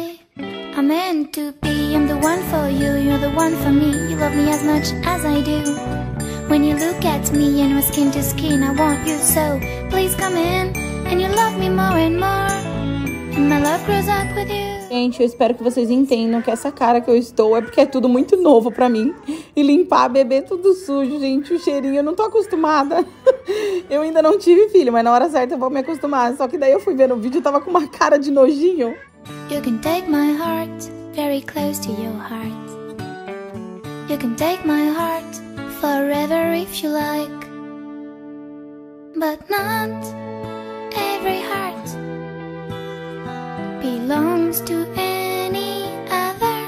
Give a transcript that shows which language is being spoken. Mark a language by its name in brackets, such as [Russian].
[English] I'm meant to be, I'm the one for you, you're the one for me. You love me as much as I do. When you look at me and we're skin to skin, I want you so. Please come in and you love me more and more. And my love grows up with you. [Portuguese] Gente, eu espero que vocês entendam que essa cara que eu estou é porque é tudo muito novo pra mim. E limpar, beber tudo sujo, gente, o cheirinho, eu não tô acostumada. Eu ainda não tive filho, mas na hora certa eu vou me acostumar. Só que daí eu fui ver no vídeo, eu tava com uma cara de nojinho. [English] You can take my heart very close to your heart. You can take my heart forever if you like. But not every heart belongs to any other.